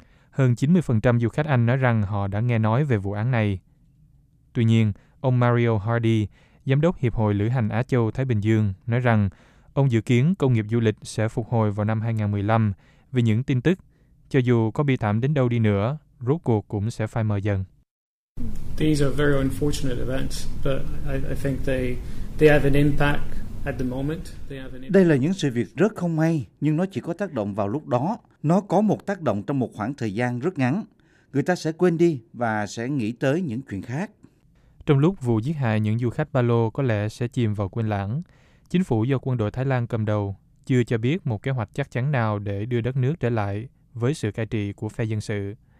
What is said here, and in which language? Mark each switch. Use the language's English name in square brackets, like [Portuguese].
[Vietnamese] Hơn 90% du khách Anh nói rằng họ đã nghe nói về vụ án này. Tuy nhiên, ông Mario Hardy, giám đốc Hiệp hội Lữ hành Á Châu-Thái Bình Dương, nói rằng Ông dự kiến công nghiệp du lịch sẽ phục hồi vào năm 2015 vì những tin tức, cho dù có bi thảm đến đâu đi nữa, rốt cuộc cũng sẽ phai mờ dần. [English] These are very unfortunate events, but I think they have an impact at the moment. [Vietnamese] Đây là những sự việc rất không may, nhưng nó chỉ có tác động vào lúc đó. Nó có một tác động trong một khoảng thời gian rất ngắn. Người ta sẽ quên đi và sẽ nghĩ tới những chuyện khác. Trong lúc vụ giết hại những du khách ba lô có lẽ sẽ chìm vào quên lãng, chính phủ do quân đội Thái Lan cầm đầu chưa cho biết một kế hoạch chắc chắn nào để đưa đất nước trở lại với sự cai trị của phe dân sự.